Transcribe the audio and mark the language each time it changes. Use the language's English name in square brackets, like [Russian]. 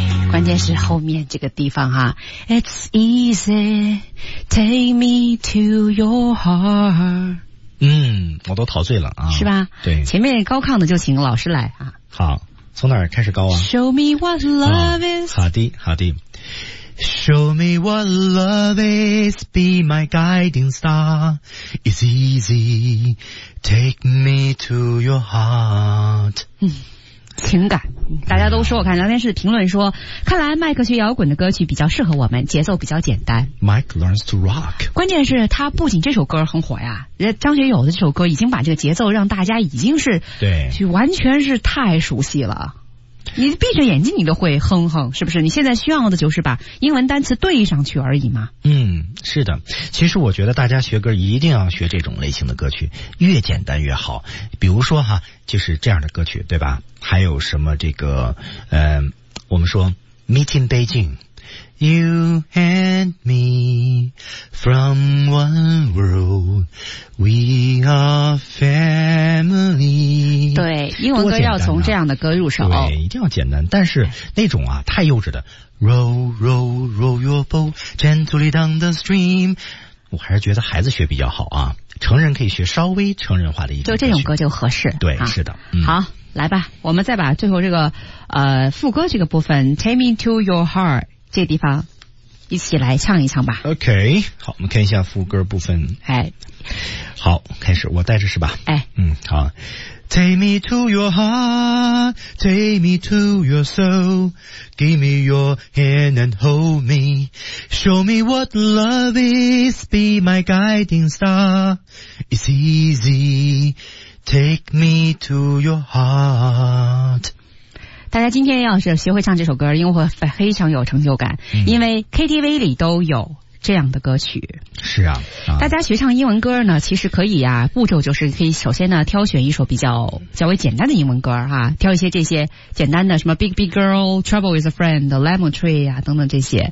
[Chinese] 关键是后面这个地方哈、啊、 [English] It's easy, take me to your heart。 [Chinese] 嗯，我都陶醉了啊，是吧，对，前面高亢的就请老师来啊。好，从哪儿开始高啊？ [English] Show me what love is、 [Chinese] 哦、好的好的。 [English] Show me what love is, be my guiding star, It's easy, take me to your heart。 [Chinese] 嗯，情感，大家都说，我看聊天室的评论说，看来麦克学摇滚的歌曲比较适合我们，节奏比较简单。 [English] Mike learns to rock。 [Chinese] 关键是他不仅这首歌很火呀，张学友的这首歌已经把这个节奏让大家已经是对，完全是太熟悉了。你闭着眼睛你都会哼哼，是不是？你现在需要的就是把英文单词对上去而已嘛。嗯，是的。其实我觉得大家学歌一定要学这种类型的歌曲，越简单越好。比如说哈，就是这样的歌曲，对吧？还有什么这个，我们说 Meet in Beijing。 [English] You and me from one world, we are family。 [Chinese] 对，英文歌要从这样的歌入手、啊、对，一定要简单，但是那种啊太幼稚的 [English] Row, row, row your boat gently down the stream， [Chinese] 我还是觉得孩子学比较好啊，成人可以学稍微成人化的一种，就这种歌就合适。对、啊、是的、嗯、好，来吧，我们再把最后这个副歌这个部分 [English] Take me to your heart [Chinese] 这地方一起来唱一唱吧。 OK， 好，我们看一下副歌部分。哎，好，开始，我带着是吧。哎，嗯，好。 [English] Take me to your heart, take me to your soul, give me your hand and hold me, show me what love is, be my guiding star, it's easy, take me to your heart。 [Chinese] 大家今天要是学会唱这首歌，因为会非常有成就感、嗯、因为 KTV 里都有这样的歌曲。是 啊， 啊，大家学唱英文歌呢，其实可以啊，步骤就是可以首先呢挑选一首较为简单的英文歌啊，挑一些这些简单的什么 Big Big Girl, Trouble is a Friend, Lemon Tree 啊等等这些。